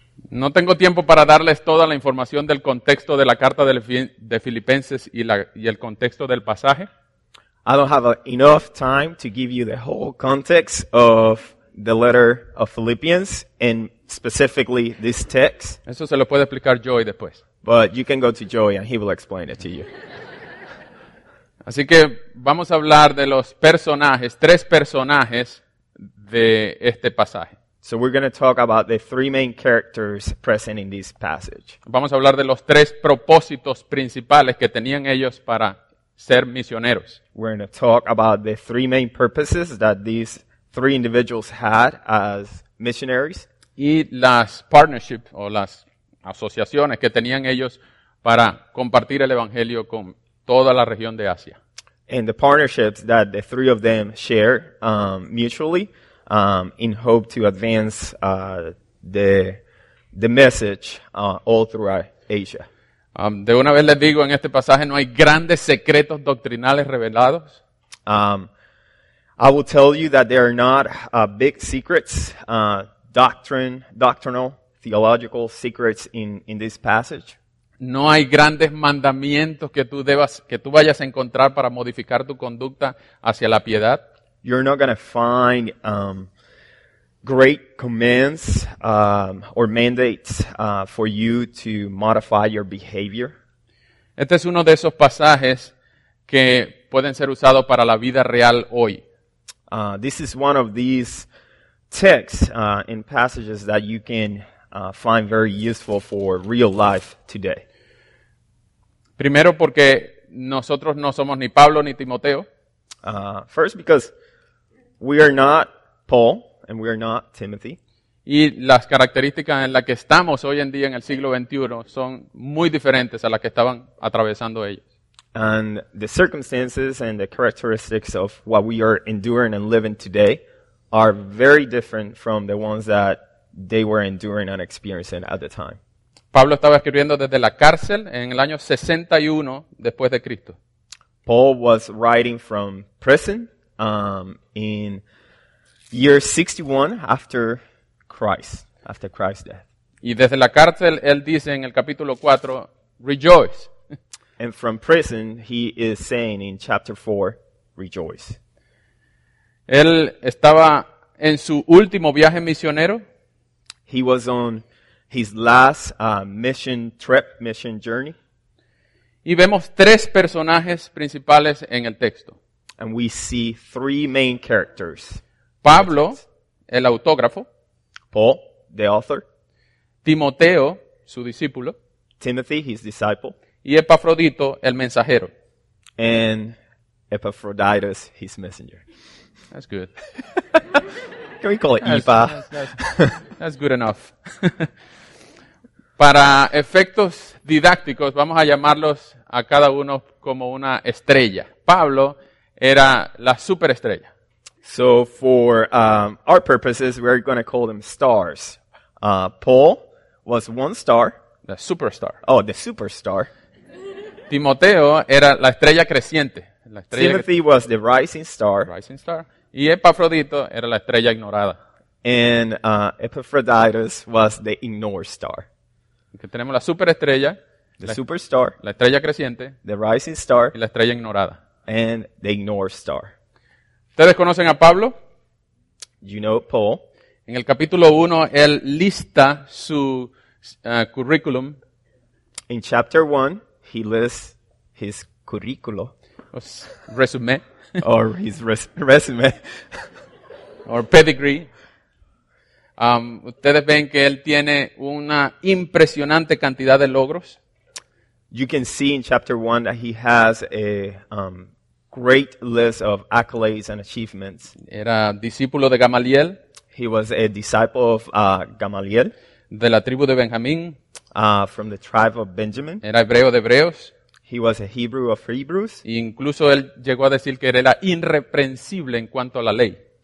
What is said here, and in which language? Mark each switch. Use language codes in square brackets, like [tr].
[es] No tengo tiempo para darles toda la información del contexto de la carta de Filipenses y el contexto del pasaje. [en] I don't have enough time to give you the whole context of the letter of Philippians and specifically this text. [es] Eso se lo puede explicar Joey después. [en] But you can go to Joey and he will explain it to you. [es] Así que vamos a hablar de los personajes, tres personajes de este pasaje. [en] So we're going to talk about the three main characters present in this passage. [es] Vamos a hablar de los tres propósitos principales que tenían ellos para ser misioneros. [en] We're going to talk about the three main purposes that these three individuals had as missionaries. [es] Y las partnerships o las asociaciones que tenían ellos para compartir el evangelio con toda la región de Asia. [en] And the partnerships that the three of them share mutually. In hope to advance the message all throughout Asia. [es] De una vez les digo, en este pasaje no hay grandes secretos doctrinales revelados. [en] I will tell you that there are not big secrets, doctrinal, theological secrets in this passage. [es] No hay grandes mandamientos que tú vayas a encontrar para modificar tu conducta hacia la piedad. [en] You're not going to find great commands or mandates for you to modify your behavior. [es] Este es uno de esos pasajes que pueden ser usados para la vida real hoy. [en] This is one of these texts and passages that you can find very useful for real life today. [es] Primero porque nosotros no somos ni Pablo ni Timoteo. [en] First because we are not Paul, and we are not Timothy. [es] Y las características en las que estamos hoy en día en el siglo XXI son muy diferentes a las que estaban atravesando ellos. [en] And the circumstances and the characteristics of what we are enduring and living today are very different from the ones that they were enduring and experiencing at the time. [es] Pablo estaba escribiendo desde la cárcel en el año 61 después de Cristo. [en] Paul was writing from prison. In year 61 after Christ's death. [es] Y desde la cárcel, él dice en el capítulo 4, rejoice. [en] And from prison, he is saying in chapter 4, rejoice. [es] Él estaba en su último viaje misionero. [en] He was on his last mission trip, mission journey. [es] Y vemos tres personajes principales en el texto. [en] And we see three main characters. [es] Pablo, el autógrafo. [en] Paul, the author. [es] Timoteo, su discípulo. [en] Timothy, his disciple. [es] Y Epafrodito, el mensajero. [en] And Epaphroditus, his messenger. That's good. Can we call it Epa? That's good enough. [es] Para efectos didácticos, vamos a llamarlos a cada uno como una estrella. Pablo era la superestrella. [en] So for our purposes, we're going to call them stars. Paul was one star. The superstar. Oh, the superstar. [es] Timoteo era la estrella creciente. La estrella [en] Timothy was the rising star. Rising star. [es] Y Epafrodito era la estrella ignorada. [en] And Epaphroditus was the ignored star. [es] Que tenemos la superestrella. [en] The superstar. [es] La estrella creciente. [en] The rising star. [es] Y la estrella ignorada. [en] And the ignored star. [es] ¿Ustedes conocen a Pablo? [en] You know Paul. [es] En el capítulo 1, él lista su currículum. [en] In chapter 1, he lists his currículo. Resume. Or his resume. Or pedigree. [es] Ustedes ven que él tiene una impresionante cantidad de logros. [en] You can see in chapter 1 that he has a great list of accolades and achievements. [es] Era discípulo de Gamaliel. [en] He was a disciple of Gamaliel. [es] De la tribu de Benjamín. [en] From the tribe of Benjamin. [es] Era hebreo de hebreos. [en] He was a Hebrew of Hebrews. [es] E incluso él llegó a decir que era irreprensible en cuanto a la ley.